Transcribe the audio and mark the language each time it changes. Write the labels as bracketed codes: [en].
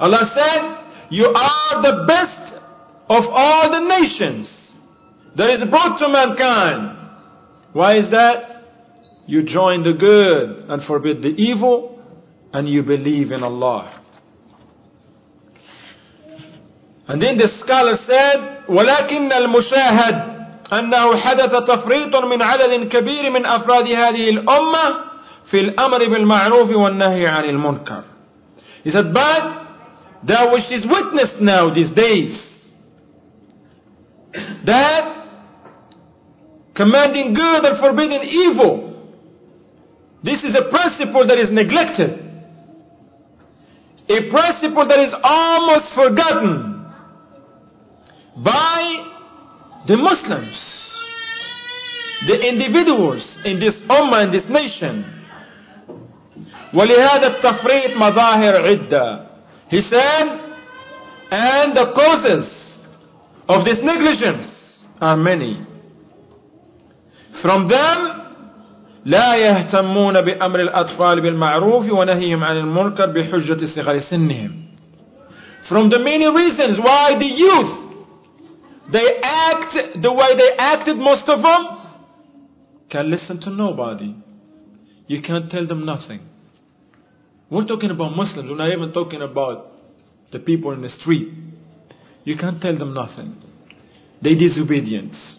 [en] Allah said, you are the best of all the nations that is brought to mankind. Why is that? You join the good and forbid the evil, and you believe in Allah. And then the scholar said, [ar] وَلَكِنَّ الْمُشَاهَدُ أَنَّهُ حَدَثَ تَفْرِيطٌ مِنْ عَدَدٍ كَبِيرٍ مِنْ أَفْرَادِ هَذِهِ الْأُمَّةِ فِي الْأَمْرِ بِالْمَعْرُوفِ وَالنَّهِي عَنِ الْمُنْكَرِ. [en] He said, but that which is witnessed now these days, that commanding good and forbidding evil, this is a principle that is neglected, a principle that is almost forgotten by the Muslims, the individuals in this Ummah, in this nation. [ar] وَلِهَذَا التَّفْرِيطِ مَظَاهِرْ عِدَّةِ. [en] He said, and the causes of this negligence are many. From them, [ar] لَا يَهْتَمُّونَ بِأَمْرِ الْأَطْفَالِ بِالْمَعْرُوفِ وَنَهِيهِمْ عَنِ الْمُنْكَرِ بِحُجَّةِ صِغَرِ سِنِّهِمْ. [en] From the many reasons why the youth, they act the way they acted, most of them can't listen to nobody. You can't tell them nothing. We're talking about Muslims. We're not even talking about the people in the street. You can't tell them nothing. They disobedient.